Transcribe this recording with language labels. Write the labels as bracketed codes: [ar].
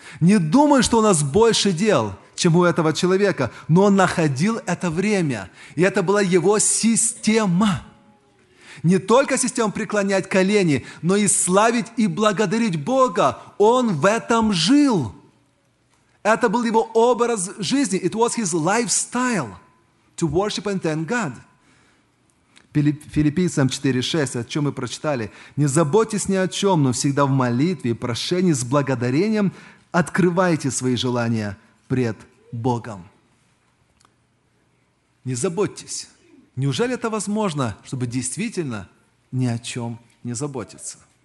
[ru] Не думаю, что у нас больше дел, чем у этого человека, но он находил это время, и это была его система. Не только система преклонять колени, но и славить и благодарить Бога. Он в этом жил. Это был его образ жизни. [en] It was his lifestyle to worship and thank God. [ru] Филиппийцам 4:6, о чем мы прочитали. «Не заботьтесь ни о чем, но всегда в молитве и прошении с благодарением открывайте свои желания пред Богом». Не заботьтесь. Неужели это возможно, чтобы действительно ни о чем не заботиться?